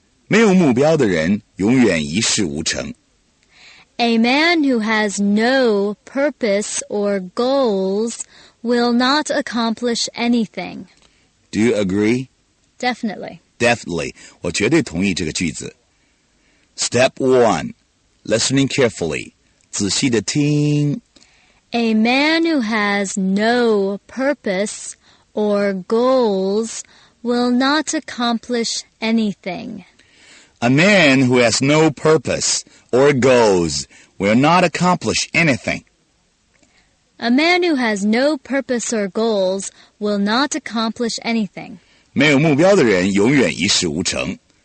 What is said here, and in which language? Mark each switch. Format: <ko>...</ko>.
<zh>没有目标的人永远一事无成。</zh> <en>A man who has no purpose or goals will not accomplish anything. Do you agree? Definitely. Definitely.</en> <zh>我绝对同意这个句子。</zh> <en>Step 1. Listening carefully.</en> <zh>仔细地听。</zh> <en>A man who has no purpose or goals will not accomplish anything. A man who has no purpose or goals... will not accomplish anything. A man who has no purpose or goals will not accomplish anything.</en> <zh>没有目标的人永远一事无成。</zh>